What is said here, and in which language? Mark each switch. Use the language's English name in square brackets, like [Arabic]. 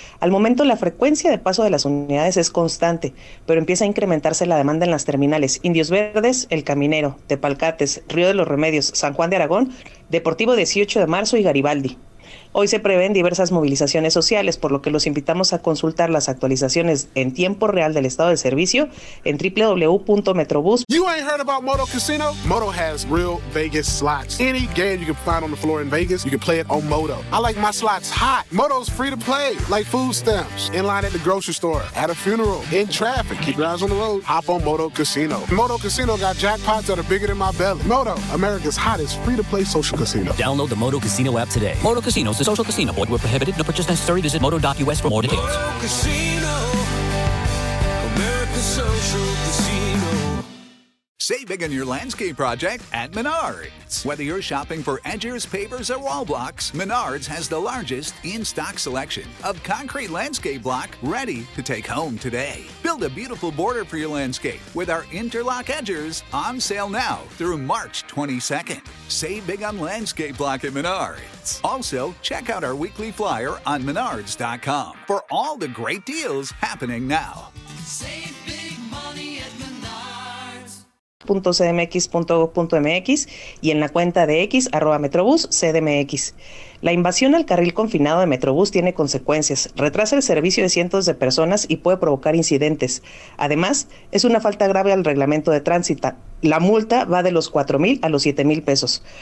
[Spanish] Al momento, la frecuencia de paso de las unidades es constante, pero empieza a incrementarse la demanda en las terminales Indios Verdes, El Caminero, Tepalcates, Río de los Remedios, San Juan de Aragón, Deportivo 18 de Marzo y Garibaldi. Hoy se prevén diversas movilizaciones sociales, por lo que los invitamos a consultar las actualizaciones en tiempo real del estado de servicio en www.metrobus. [English] You ain't heard about Moto Casino? Moto has real Vegas slots. Any game you can find on the floor in Vegas, you can play it on Moto. I like my slots hot. Moto's free to play, like food stamps. In line at the grocery store, at a funeral, in traffic. Keep your eyes on the road. Hop on Moto Casino. Moto Casino got jackpots that are bigger than my belly. Moto, America's hottest free to play social casino. Download the Moto Casino app today. Moto Casino. The social casino. Void where prohibited. No purchase necessary. Visit moto.us for more details. Moto Casino. America's social casino. Save big on your landscape project at Menards. Whether you're shopping for edgers, pavers, or wall blocks, Menards has the largest in-stock selection of concrete landscape block ready to take home today. Build a beautiful border for your landscape with our interlock edgers on sale now through March 22nd. Save big on landscape block at Menards. Also, check out our weekly flyer on Menards.com for all the great deals happening now. Save big money at Menards. [Spanish] metrobús.cdmx.gob.mx y en la cuenta de X, @metrobús_cdmx. La invasión al carril confinado de Metrobús tiene consecuencias, retrasa el servicio de cientos de personas y puede provocar incidentes. Además, es una falta grave al reglamento de tránsito. La multa va de los 4,000 a los 7,000 pesos.